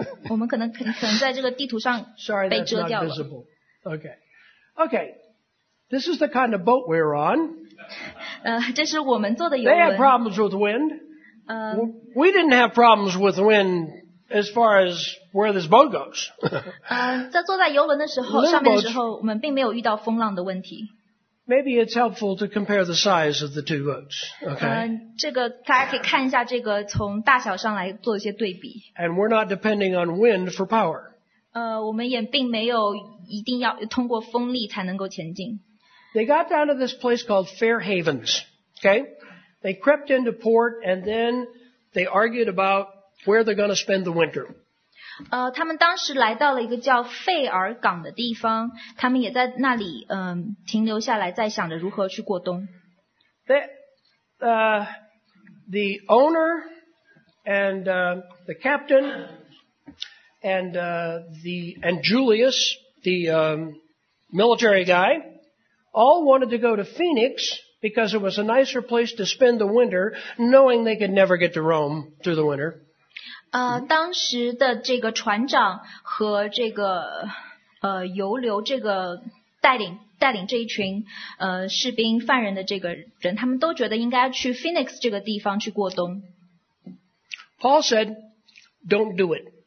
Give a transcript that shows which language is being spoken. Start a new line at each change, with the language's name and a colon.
Chinese: 我们可能在这个地图上被遮掉了。
English: Sorry, that's not visible. Okay. This is the kind of boat we're on.
Chinese: 这是我们坐的游
English: 轮。They have problems with wind. We didn't have problems with wind as far as where this boat goes.
Chinese: 在坐在游轮的时候，上面的时候，我们并没有遇到风浪的问题。
English: Maybe it's helpful to compare the size of the two boats. Okay.
Chinese: 这个大家可以看一下，这个从大小上来做一些对比。
English: And we're not depending on wind for power.
Chinese: 我们也并没有一定要通过风力才能够前进。
English: They got down to this place called Fair Havens. Okay. They crept into port and then they argued about where they're going to spend the winter.
Chinese: 他们当时来到了一个叫费尔港的地方，他们也在那里停留下来，在想着如何去过冬。
English: The owner and the captain and Julius, the military guy, all wanted to go to Phoenix because it was a nicer place to spend the winter, knowing they could never get to Rome through the winter.
Chinese: 当时的这个船长和这个游流这个带领这一群士兵犯人的这个人，他们都觉得应该去 Phoenix 这个地方去过冬。
English: Paul said, "Don't do it."